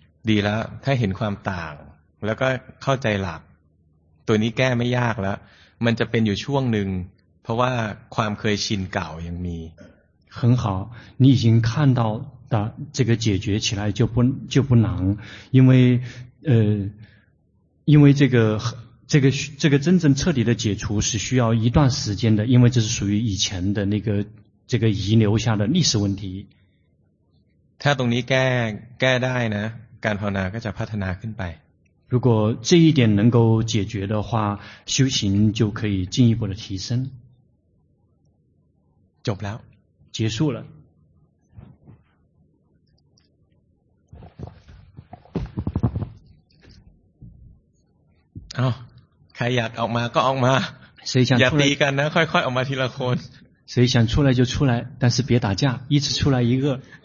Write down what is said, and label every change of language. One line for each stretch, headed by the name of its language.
Thai: ดีแล้วถ้าเห็นความต่างแล้วก็เข้าใจหลักตัวนี้แก้ไม่ยากแล้วมันจะเป็นอยู่ช่วงหนึ่งเพราะว่าความเคยชินเก่ายังมี
Chinese: 很好你已经看到的这个解决起来就不难因为这个真正彻底的解除是需要一段时间的因为这是属于以前的那个这个遗留下的历史问题
Thai: ถ้าตรงนี้แก้ได้นะการภาวนาก็จะพัฒนาขึ้นไป
Chinese: 如果这一点能够解决的话修行就可以进一步的提升
Thai: จบแล้ว
Chinese: 结束了
Thai: อ้าวใครอยากออกมาก็ออกมา อ ย่าตีกันนะค่อยๆออกมาทีละคน
Chinese: 谁想出来就出来但是别打架一次出来一个